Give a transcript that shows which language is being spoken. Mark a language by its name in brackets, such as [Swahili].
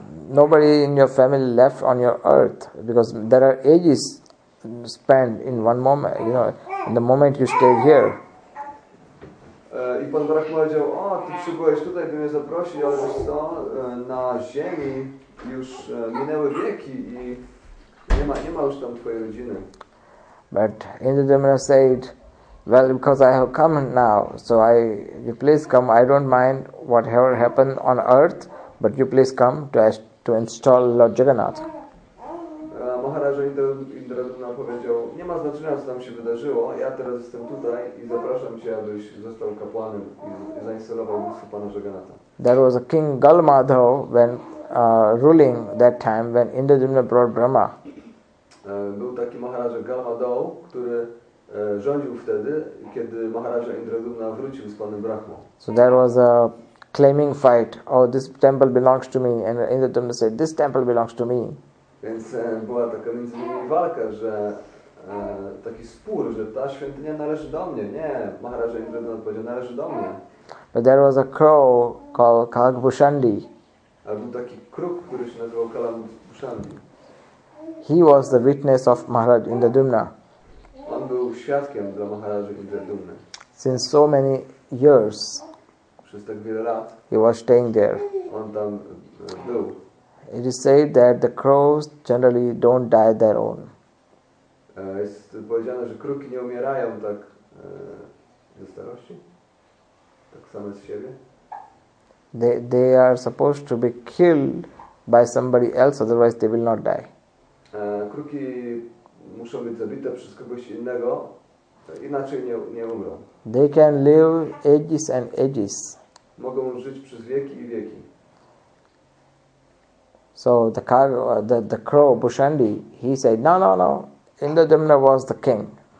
[English] Nobody in your family left on your earth, because there are ages spent in one moment, you know, in the moment you stayed here. [Polish] I Pan Brahma powiedział, o, ty przybyłeś tutaj, by mnie zaprosić, ale wiesz co, na ziemi już minęły wieki i nie ma już tam twojej rodziny. [English] But Indradyumna said, well, because I have come now, so you please come, I don't mind whatever happened on earth, but you please come to install Lord Jagannath. [Polish] Maharaj Indradyumna powiedział, nie ma znaczenia, co tam się wydarzyło, ja teraz jestem tutaj i zapraszam cię, abyś został kapłanem i zainstalował bóstwo Pana Jagannatha. [English] There was a king Galmadho when ruling that time when Indradyumna brought Brahma. [Polish] Był taki Maharaj Galmadho, który rządził wtedy, kiedy Maharaja Indradumna wrócił z panem Brahmą. [English] So there was a claiming fight. Oh, this temple belongs to me. And Indradumna said, this temple belongs to me. [Polish] Więc była taka między nimi walka, że taki spór, że ta świątynia należy do mnie. Nie, Maharaja Indradumna powiedział, należy do mnie. [English] But there was a crow called Kalakbhushandi. [Polish] A był taki kruk, który się nazywał Kalakbhushandi. [English] He was the witness of Maharaja Indradumna. [Polish] On był świadkiem dla Maharaja Indradumna. [English] Since so many years. [Polish] Przez tak wiele lat. [English] He was staying there. [Polish] On tam był. [English] It is said that the crows generally don't die their own. [Polish] Jest powiedziane, że kruki nie umierają tak ze starości. Tak same z siebie. [English] They are supposed to be killed by somebody else, otherwise they will not die. [Polish] Kruki muszą być zabite przez kogoś innego, inaczej nie umrą. [English] They can live ages and ages. [Polish] Mogą żyć przez wieki i wieki. [English] So the crow Bhushandi, he said, no, Indradumna was the king.